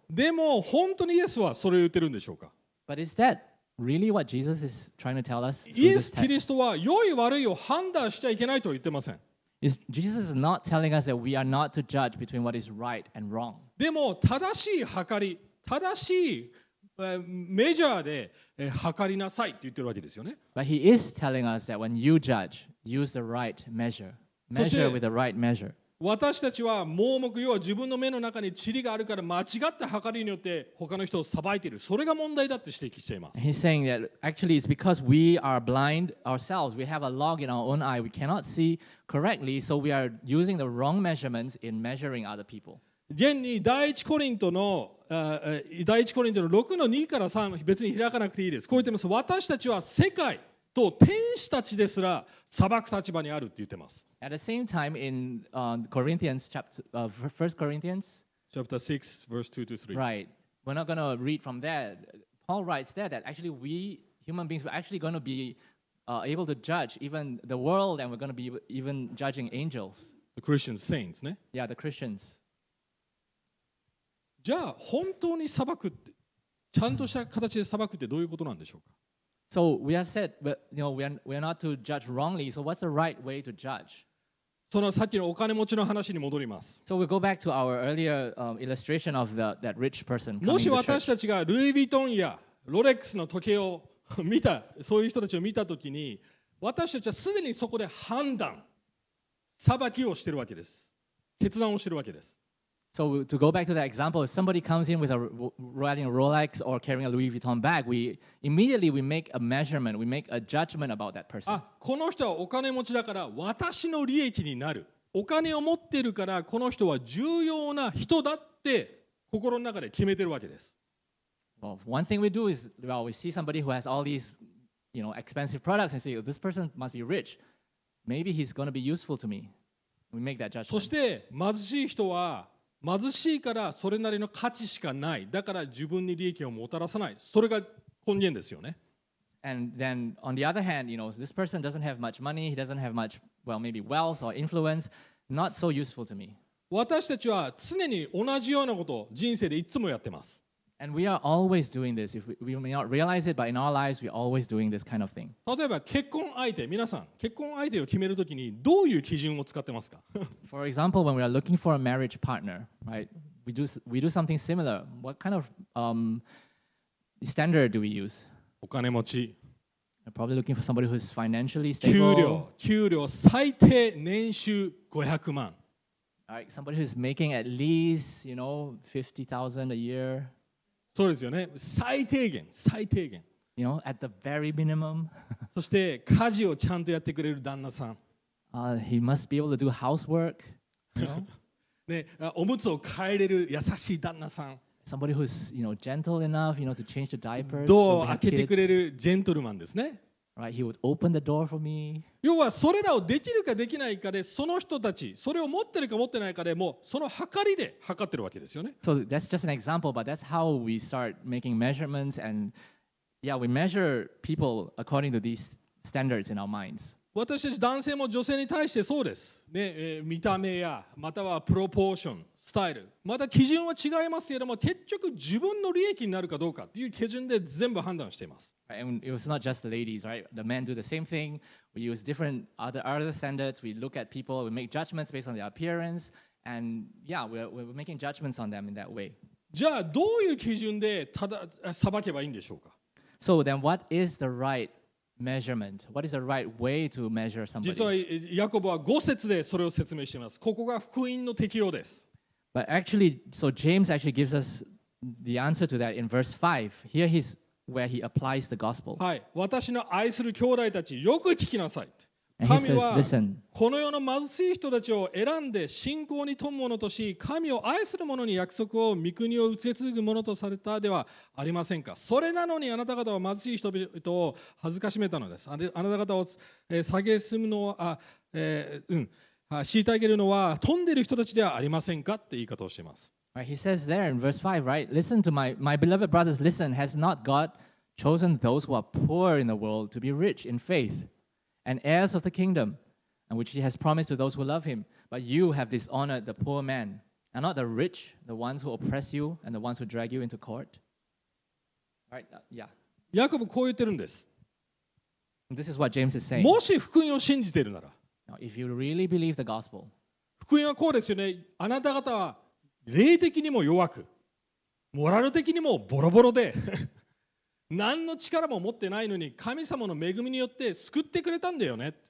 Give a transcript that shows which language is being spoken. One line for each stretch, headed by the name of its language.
Japanese: でも、本当にイエスはそれを言ってるんでしょうか?
English: But is that? Really, what Jesus is trying to tell us?
Japanese: Yes, Christ は良い悪いを判断しちゃいけないと言ってません。
English: Is Jesus not telling us that we are not to judge between what is right and wrong?
Japanese: でも正しい測り、正しいメジャーで測りなさいって言ってるわけですよね。
English: But he is telling us that when you judge, use the right measure. Measure with the right measure.
Japanese: 私たちは盲目、要は自分の目の中に塵があるから間違った測りによって他の人を裁いている。それが問題だって指摘しています。
English: He's saying that actually it's because we are blind ourselves. We have a log in our own eye. We cannot see correctly, so we are using the wrong measurements in measuring other people.
Japanese: 現に第一コリントの6の2から3、別に開かなくていいです。こう言ってます。私たちは世界と天使たちですら裁く立場にあるって言ってます。
English: At the same time, in Corinthians chapter, First Corinthians chapter 6, verse 2 to 3. Right. We're not going to read from there. Paul writes there that actually we human beings are actually going to be able to judge even the world, and we're going to be even judging angels. The Christians, saints, ne? Yeah, the Christians.
Japanese: じゃあ本当に裁くってちゃんとした形で裁くってどういうことなんでしょうか？
English: So we are said, but you know, we are not to judge wrongly. So what's the right way to judge?
Japanese: そのさっきのお金持ちの話に戻ります。
English: So we go back to our earlier illustration of that rich person.
Japanese: もし私たちがルイ・ヴィトンやロレックスの時計を見た、そういう人たちを見たときに、私たちはすでにそこで判断、裁きをしているわけです。決断をしているわけです。
English: So to go back to that example, if somebody comes in with a riding a Rolex or carrying a Louis Vuitton bag, we immediately make a measurement, we make a judgment about that person.
Japanese: あ、この人はお金持ちだから私の利益になる。お金を持ってるからこの人は重要な人だって心の中で決めてるわけです。
English: Well, one thing we do is, well, we see somebody who has all these, you know, expensive products and say, this person must be rich. Maybe he's going to be useful to me. We make that judgment.
Japanese: そして貧しい人は貧しいからそれなりの価値しかない。だから自分に利益をもたらさない。それが根源ですよね。
English: And then on the other hand, you know, this person doesn't have much money. He doesn't have much, well, maybe wealth or influence. Not so useful to me.
Japanese: 私たちは常に同じようなことを人生でいつもやってます。
English: And we are always doing this. If we may not realize it, but in our lives, we are always doing this kind of thing.
Japanese: 例えば結婚相手、皆さん、結婚相手を決めるときにどういう基準を使ってますか?
English: For example, when we are looking for a marriage partner, right? We do something similar. What kind of standard do we use?
Japanese: お金持ち。
English: You're probably looking for somebody who's financially stable.
Japanese: 給料最低年収500万。
English: Like somebody who's making at least, you know, 50,000 a year.
Japanese: そうですよね。最低限。
English: You know, at the very minimum.
Japanese: そして家事をちゃんとやってくれる旦那さん。
English: He must be able to do housework. You know?
Japanese: ね、おむつを替えれる優しい旦那さん。
English: Somebody who's, you know, gentle enough, you know, to change the diapers.
Japanese: ドアを開けてくれるジェントルマンですね。
English: Right, he would open the door for me.
Japanese: 要はそれらをできるかできないかで、その人たち、それを持ってるか持ってないかで、もうその測りで測ってるわけですよね。
English: So that's just an example, but that's how we start making measurements and, yeah, we measure people according to these standards in our minds.
Japanese: 私たち男性も女性に対してそうです。ね、見た目や、またはプロポーション、スタイル。また基準は違いますけれども、結局自分の利益になるかどうかという基準で全部判断しています。
English: And it was not just the ladies, right? The men do the same thing. We use different other standards. We look at people. We make judgments based on their appearance. And yeah, we're making judgments on them in that way.
Japanese: じゃあどういう基準でただ裁けばいいんでしょうか?
English: So then what is the right measurement? What is the right way to measure somebody?
Japanese: 実はヤコブは5節でそれを説明しています。ここが福音の適用です。
English: But actually, so James actually gives us the answer to that in verse 5. Here he's where he applies the gospel.
Japanese: はい、私の愛する兄弟たち、よく聞きなさい。神はこの世の貧しい人たちを選んで信仰に富むものとし、神を愛する者に約束を御国を受け継ぐものとされたではありませんか。それなのにあなた方は貧しい人々を恥ずかしめたのです。あなた方を下げすむのは、虐げるのは富んでいる人たちではありませんかって言い方をしています。
English: Right, he says there in verse 5, right? Listen to my beloved brothers, listen. Has not God chosen those who are poor in the world to be rich in faith and heirs of the kingdom, and which he has promised to those who love him? But you have dishonored the poor man. Are not the rich the ones who oppress you and the ones who drag you into court? Right, yeah.
Japanese: ヤコブこう言ってるんです。
English: This is what James is saying.
Japanese: もし福音を信じているなら。
English: Now, if you really believe the gospel.
Japanese: 福音はこうですよね。あなた方は霊的にも弱く、モラル的にもボロボロで、何の力も持ってないのに、神様の恵みによって救ってくれたんだよね。